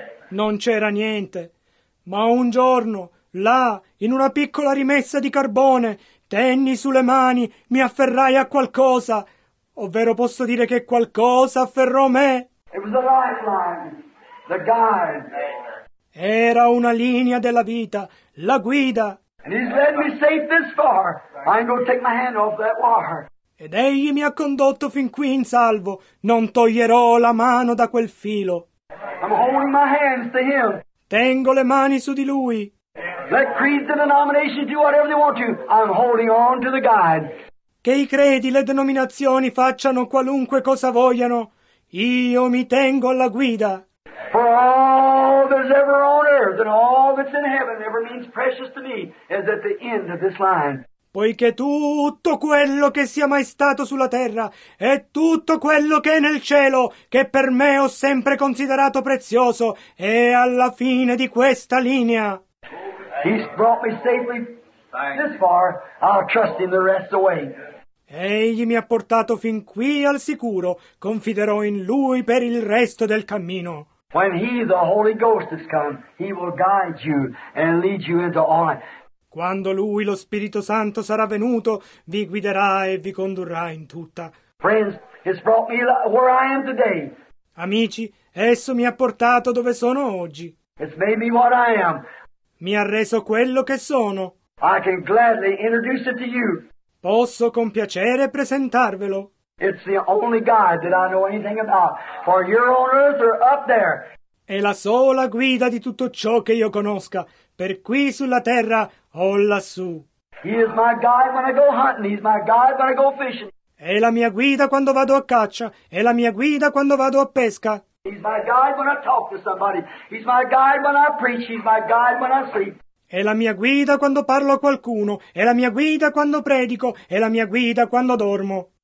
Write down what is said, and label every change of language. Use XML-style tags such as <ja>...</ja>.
<it>Non c'era niente, ma un giorno, là, in una piccola rimessa di carbone, tenni sulle mani, mi afferrai a qualcosa. Ovvero posso dire che qualcosa afferrò me.</it> <en>It was a lifeline, the guide.</en> <it>Era una linea della vita, la guida.</it> <en>And he's led me safe this far. I ain't gonna take my hand off that wire.</en> <it>Ed egli mi ha condotto fin qui in salvo. Non toglierò la mano da quel filo.</it> <en>I'm holding my hands to him.</en> <it>Tengo le mani su di lui.</it> <en>Let creeds and denominations do whatever they want to. I'm holding on to the guide.</en> <it>Che i credi, le denominazioni facciano qualunque cosa vogliano, io mi tengo alla guida.</it> <en>For all that's ever on earth and all that's in heaven ever means precious to me is at the end of this line.</en> <it>Poiché tutto quello che sia mai stato sulla terra e tutto quello che è nel cielo, che per me ho sempre considerato prezioso, è alla fine di questa linea.</it> <en>He's brought me safely. This far, I'll trust him the rest away.</en> <it>Egli mi ha portato fin qui al sicuro. Confiderò in lui per il resto del cammino.</it> <en>When he, the Holy Ghost, has come, he will guide you and lead you into all life.</en> <it>Quando lui, lo Spirito Santo, sarà venuto, vi guiderà e vi condurrà in tutta.</it> <en>Friends, it's brought me where I am today.</en> <it>Amici, esso mi ha portato dove sono oggi.</it> <en>It's made me what I am.</en> <it>Mi ha reso quello che sono.</it> <en>I can gladly introduce it to you.</en> <it>Posso con piacere presentarvelo.</it> <en>It's the only guide that I know anything about. For you're on earth or up there.</en> <it>È la sola guida di tutto ciò che io conosca, per qui sulla terra o lassù.</it> <en>He is my guide when I go hunting. He's my guide when I go fishing.</en> <it>È la mia guida quando vado a caccia. È la mia guida quando vado a pesca.</it> <en>He's my guide when I talk to somebody. He's my guide when I preach. He's my guide when I sleep.</en> <it>È la mia guida quando parlo a qualcuno, è la mia guida quando predico, è la mia guida quando dormo.</it>